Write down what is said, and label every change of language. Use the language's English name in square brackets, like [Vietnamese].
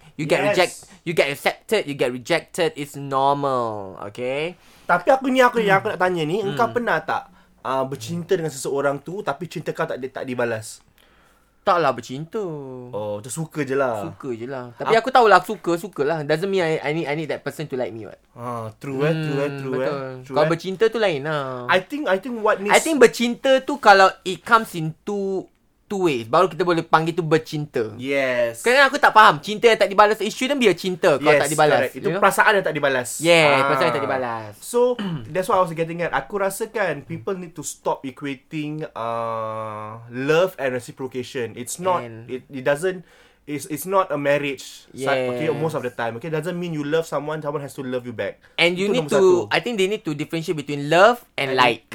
[English] You get rejected, you get accepted, you get rejected, it's normal, okay? [Malay] Tapi aku nak tanya ni, engkau pernah tak bercinta dengan seseorang tu tapi cinta kau tak dibalas? Taklah bercinta. Oh, macam suka je lah. Suka je lah. Tapi aku tahulah suka lah. [English] Doesn't mean I need that person to like me, what? True. [Malay] Kalau bercinta tu lain lah. [English] I think [Malay] bercinta tu kalau [English] it comes into two ways, [Malay] baru kita boleh panggil tu bercinta. [English] Yes. [Malay] Kerana aku tak faham, cinta yang tak dibalas, [English] it shouldn't be a [Malay] cinta kalau tak dibalas. [English] Correct. [Malay] Itu perasaan yang tak dibalas. Perasaan yang tak dibalas. [English] So, that's what I was getting at. [Malay] Aku rasa kan, [English] people need to stop equating love and reciprocation. It's not a marriage. Yes. Okay, most of the time. Okay, doesn't mean you love someone, someone has to love you back. And you need to, I think they need to differentiate between love and like.